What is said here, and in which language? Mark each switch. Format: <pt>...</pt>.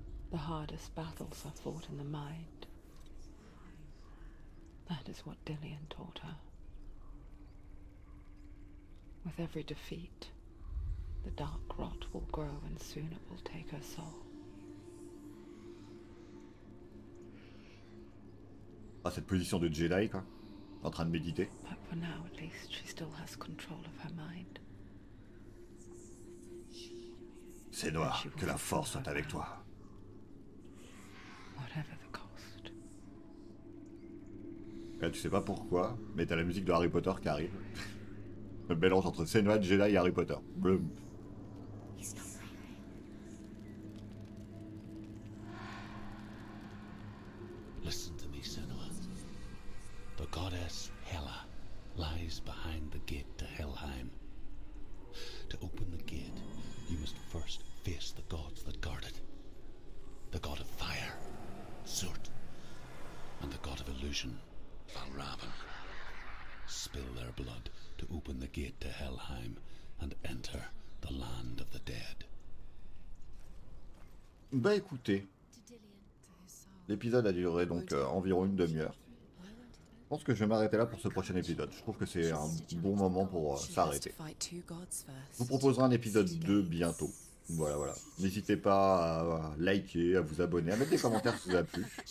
<en>The hardest battles are fought in the mind. That is what Dillian taught her. With every defeat, the dark rot will grow and soon it will take her soul.</en> <fr>Ah, cette position de Jedi, quoi, en train de méditer.</fr> <en>But for now, at least, she still has control of her mind.</en> <fr>C'est noir, que la force soit avec toi.</fr> <en>Whatever the cost.</en> <fr>Et tu sais pas pourquoi, mais t'as la musique de Harry Potter qui arrive. Le mélange entre Senua, Jedi et Harry Potter. Blum.</fr> <en>Listen to me, Senua. The goddess Hela lies behind the gate to Helheim. To open the gate, you must first face the gods that guard it. The god of fire, Surt, and the god of illusion, Valravn. Spill their blood to open the gate to Helheim and enter the land of the dead.</en> <fr>Bah écoutez, l'épisode a duré donc environ une demi-heure. Je pense que je vais m'arrêter là pour ce prochain épisode. Je trouve que c'est un bon moment pour s'arrêter. Je vous proposerai un épisode 2 bientôt. Voilà, voilà. N'hésitez pas à liker, à vous abonner, à mettre des commentaires si ça vous a plu.</fr>